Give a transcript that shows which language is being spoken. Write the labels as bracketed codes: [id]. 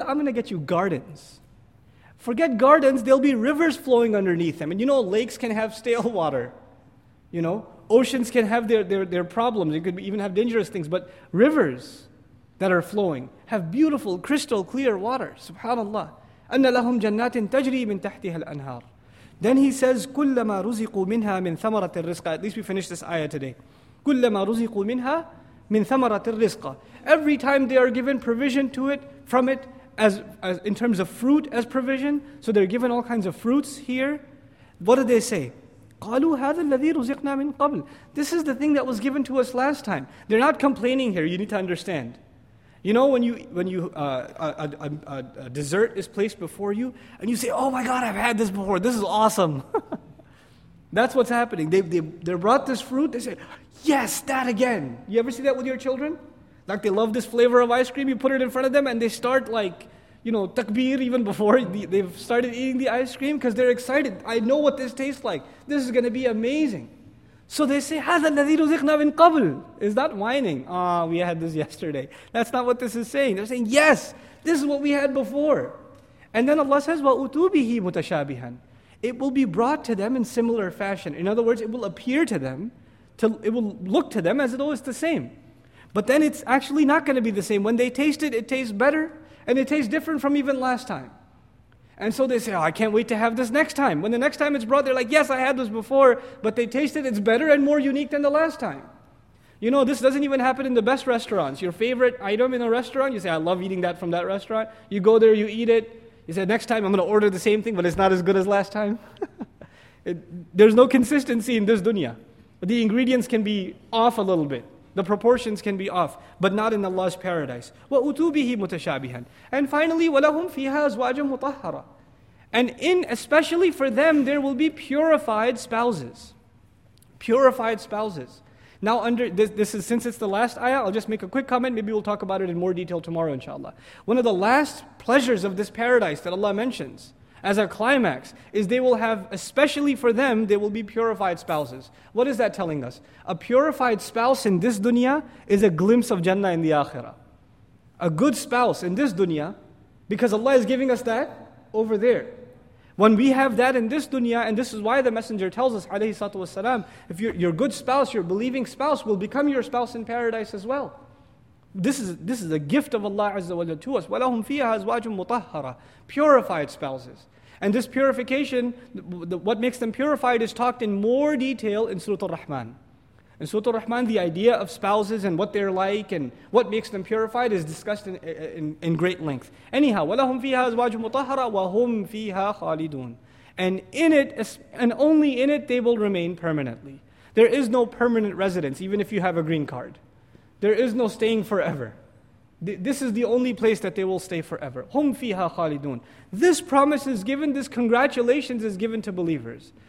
[en] I'm going to get you gardens. Forget gardens, there'll be rivers flowing underneath them. And you know, lakes can have stale water. You know, oceans can have their problems. It could even have dangerous things. But rivers that are flowing have beautiful, crystal, clear water. [ar] SubhanAllah. أَنَّ لَهُمْ جَنَّاتٍ تَجْرِي مِنْ تَحْتِهَا الْأَنْهَارِ. [en] Then he says, [ar] كُلَّمَا رُزِقُوا مِنْهَا مِنْ ثَمَرَةِ الرِّزْقَ. [en] At least we finished this ayah today. [ar] كُلَّمَا رُزِقُوا مِنْهَا مِنْ ثَمَرَةِ الرِّزْقَ. [en] Every time they are given provision to it, from it, as in terms of fruit as provision, so they're given all kinds of fruits here, what do they say? [ar] قَالُوا هَذَا الَّذِي رُزِقْنَا مِنْ قَبْلِ. [en] This is the thing that was given to us last time. They're not complaining here, you need to understand. You know when a dessert is placed before you and you say, oh my God, I've had this before, this is awesome. That's what's happening. They brought this fruit, they said, yes, that again. You ever see that with your children? Like they love this flavor of ice cream, you put it in front of them and they start like, you know, takbir even before they've started eating the ice cream because they're excited. I know what this tastes like. This is going to be amazing. So they say, [ar] هَذَا الَّذِي رُزِقْنَا مِنْ قَبْلِ. [en] Is that whining? Ah, oh, we had this yesterday. That's not what this is saying. They're saying, yes, this is what we had before. And then Allah says, [ar] وَأُتُوا بِهِ مُتَشَابِهًا. [en] It will be brought to them in similar fashion. In other words, it will appear to them, it will look to them as though it's the same. But then it's actually not going to be the same. When they taste it, it tastes better, and it tastes different from even last time. And so they say, oh, I can't wait to have this next time. When the next time it's brought, they're like, yes, I had this before, but they taste it, it's better and more unique than the last time. You know, this doesn't even happen in the best restaurants. Your favorite item in a restaurant, you say, I love eating that from that restaurant. You go there, you eat it. You say, next time I'm going to order the same thing, but it's not as good as last time. There's no consistency in this dunya. The ingredients can be off a little bit. The proportions can be off, but not in Allah's paradise. [ar] وَأُتُوا بِهِ مُتَشَابِهًا. [en] And finally, [ar] وَلَهُمْ فِيهَا أَزْوَاجٌ مُطَهَّرَةٌ. [en] And in, especially for them, there will be purified spouses. Purified spouses. Now under, this is, since it's the last ayah, I'll just make a quick comment, maybe we'll talk about it in more detail tomorrow, inshallah. One of the last pleasures of this paradise that Allah mentions as a climax, is they will have, especially for them, they will be purified spouses. What is that telling us? A purified spouse in this dunya is a glimpse of Jannah in the Akhirah. A good spouse in this dunya, because Allah is giving us that over there. When we have that in this dunya, and this is why the Messenger tells us, alayhi salatu wasalam, if your good spouse, your believing spouse, will become your spouse in paradise as well. This is a gift of Allah Azza wa Jalla to us. [ar] وَلَهُمْ فِيهَا أَزْوَاجٌ مُطَهَّرَةٌ. [en] Purified spouses. And this purification, what makes them purified is talked in more detail in Surah Al-Rahman. In Surah Al-Rahman, the idea of spouses and what they're like and what makes them purified is discussed in great length. Anyhow, [ar] وَلَهُمْ فِيهَا أَزْوَاجٌ مُطَهَّرَةٌ وَهُمْ فِيهَا خَالِدُونَ. [en] And in it, and only in it, they will remain permanently. There is no permanent residence, even if you have a green card. There is no staying forever. This is the only place that they will stay forever. [ar] هُمْ فِيهَا خَالِدُونَ. [en] This promise is given, this congratulations is given to believers.